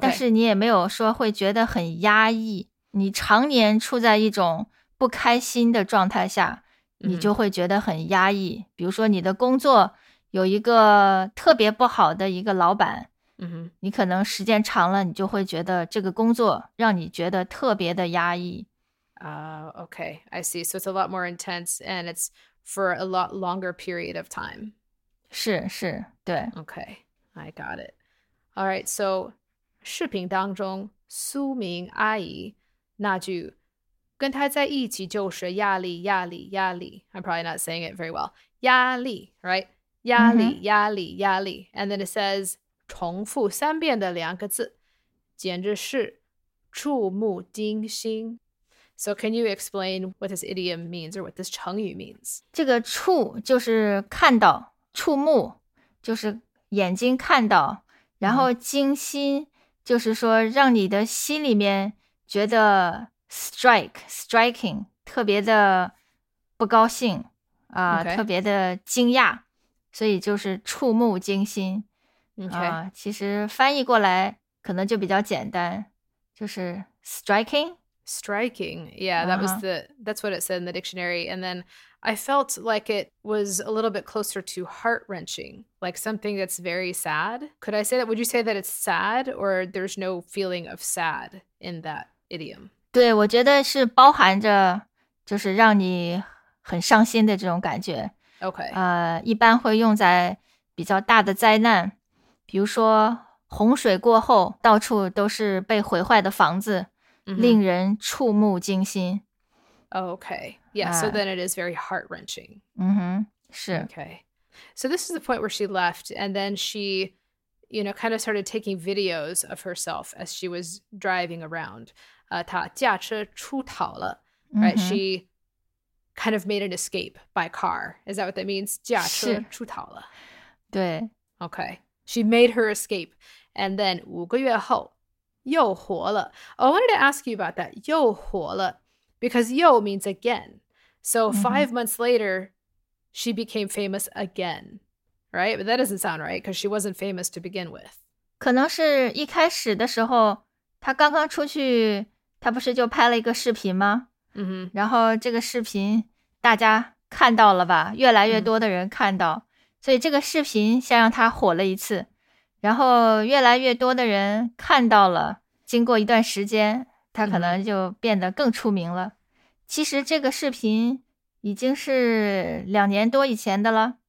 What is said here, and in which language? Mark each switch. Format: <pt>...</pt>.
<zh>但是你也没有说会觉得很压抑。你常年处在一种不开心的状态下, 你就会觉得很压抑。比如说你的工作有一个特别不好的一个老板。你可能时间长了你就会觉得这个工作让你觉得特别的压抑。</zh> <en>Okay, I see. So it's a lot more intense and it's for a lot longer period of time.</en> <zh>是是对。</zh> <en>Okay, I got it. All right, so</en> <zh>视频当中苏明阿姨那句跟她在一起就是压力压力</zh> <en>压力 I'm probably not saying it very well.</en> <zh>压力 right? 压力、mm-hmm. 压力压力</zh> <en>And then it says,</en> <zh>重复三遍的两个字简直是触目惊心。</zh> <en>So can you explain what this idiom means or what this 成语 means?</en> <zh>这个触就是看到触目就是眼睛看到然后惊心就是说让你的心里面觉得 striking, 特别的不高兴、</zh> <en>okay.</en> <zh>特别的惊讶所以就是触目惊心。</zh> <en>Okay.</en> <zh>其实翻译过来可能就比较简单就是 striking?</zh> <en>Striking, yeah, that was that's what it said in the dictionary. And then I felt like it was a little bit closer to heart-wrenching, like something that's very sad. Could I say that? Would you say that it's sad or there's no feeling of sad in that idiom?</en> <zh>对我觉得是包含着就是让你很伤心的这种感觉。</zh> <en>Okay.</en> <zh>一般会用在比较大的灾难。比如说洪水过后到处都是被毁坏的房子、 mm-hmm. 令人触目惊心。</zh> <en>Okay, yeah,、so then it is very heart-wrenching.</en> <zh>嗯哼，是。</zh> <en>Okay, so this is the point where she left and then she, you know, kind of started taking videos of herself as she was driving around.</en> <zh>她驾车出逃了、 mm-hmm.</zh> <en>right? She kind of made an escape by car. Is that what that means?</en> <zh>驾车出逃了。对。</zh> <en>Okay. She made her escape. And then</en> <zh>五个月后又活了。</zh> <en>I wanted to ask you about that. 又活了 because 又 means again. So 5 months later, she became famous again. Right? But that doesn't sound right because she wasn't famous to begin with.</en> <zh>可能是一开始的时候她刚刚出去她不是就拍了一个视频吗、 mm-hmm. 然后这个视频大家看到了吧越来越多的人看到。 Mm-hmm. 所以这个视频先让他火了一次然后越来越多的人看到了经过一段时间他可能就变得更出名了、嗯、其实这个视频已经是两年多以前的了、</zh>